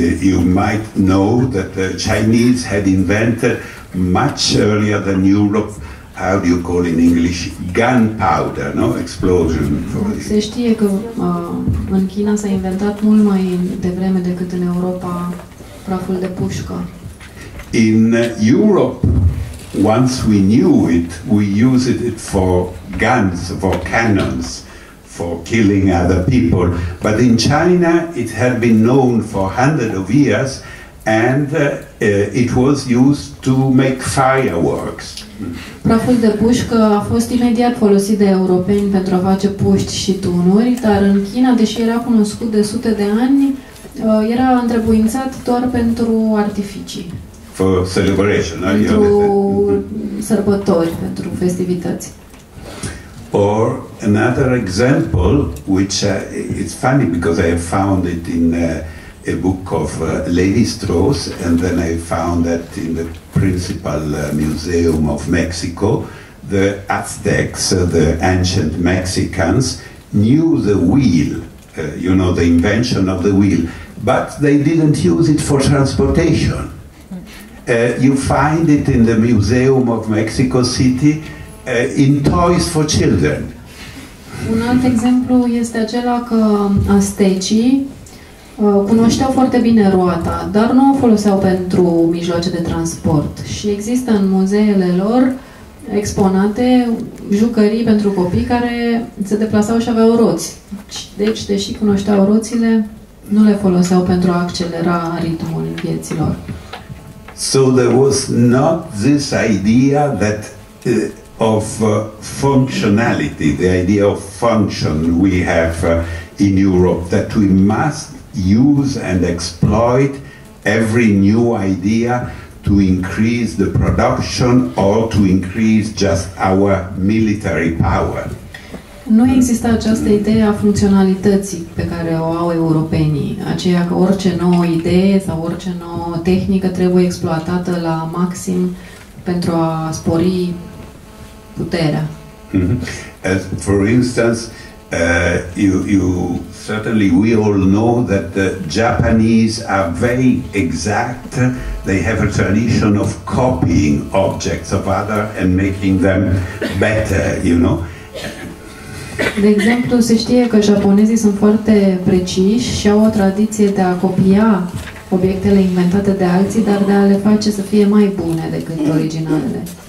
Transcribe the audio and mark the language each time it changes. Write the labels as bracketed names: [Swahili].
[English] You might know that the Chinese had invented much earlier than Europe, how do you call in English, gunpowder, no, explosion. [Romanian] Se știe că în China s-a inventat mult mai devreme decât în Europa praful de pușcă. [English] In Europe, once we knew it, we used it for guns, for cannons, for killing other people. But in China, it had been known for hundreds of years, and it was used to make fireworks. [Romanian] Praful de pușcă a fost imediat folosit de europeni pentru a face puști și tunuri, dar în China, deși era cunoscut de sute de ani, era întrebuințat doar pentru artificii. [English] For celebration, [Romanian] pentru sărbători, pentru festivități. [English] Or another example, which it's funny because I found it in a book of Levi-Strauss, and then I found that in the principal museum of Mexico, the Aztecs, the ancient Mexicans, knew the wheel, you know, the invention of the wheel, but they didn't use it for transportation. You find it in the Museum of Mexico City, in toys for children. [Romanian] Un alt exemplu este acela că aztecii cunoșteau foarte bine roata, dar nu o foloseau pentru mijloace de transport. Și există în muzeele lor exponate jucării pentru copii care se deplasau și aveau roți. Deci, deși cunoșteau roțile, nu le foloseau pentru a accelera ritmul vieților. [English] So there was not this idea that of functionality, the idea of function we have in Europe, that we must use and exploit every new idea to increase the production or to increase just our military power. [Romanian] Nu există această idee a funcționalității pe care o au europenii, aceea că orice nouă idee sau orice nouă tehnică trebuie exploatată la maxim pentru a spori puterea. Mm-hmm. [English] As for instance, you certainly we all know that the Japanese are very exact. They have a tradition of copying objects of other and making them better, you know. [Romanian] De exemplu, se știe că japonezii sunt foarte preciși și au o tradiție de a copia obiectele inventate de alții, dar de a le face să fie mai bune decât originalele.